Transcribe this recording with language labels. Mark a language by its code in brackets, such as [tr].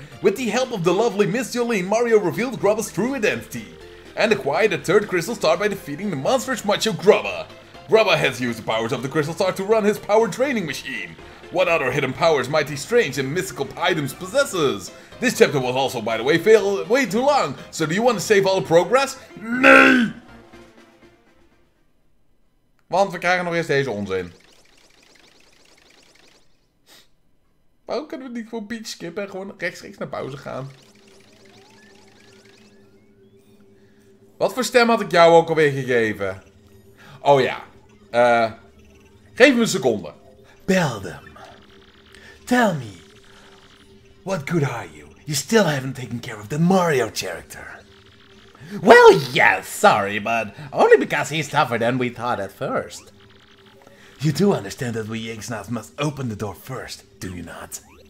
[en] With the help of the lovely Miss Jolene, Mario revealed Grubba's true identity and acquired a third crystal star by defeating the monstrous macho Grubba. Grubba has used the powers of the crystal star to run his power training machine. What other hidden powers Mighty Strange and Mystical Items possesses? This chapter was also, by the way, fail way too long, so do you want to save all the progress? [nl] Nee! Want we krijgen nog eerst deze onzin. Waarom kunnen we niet voor Peach skippen en gewoon rechtstreeks naar pauze gaan? Wat voor stem had ik jou ook alweer gegeven? Oh ja, geef me een seconde. [en] Bel them. Tell me, what good are you? You still haven't taken care of the Mario character. Well, yes, sorry, but only because he's tougher than we thought at first. You do understand that we Yanksnaps must open the door first, do you not?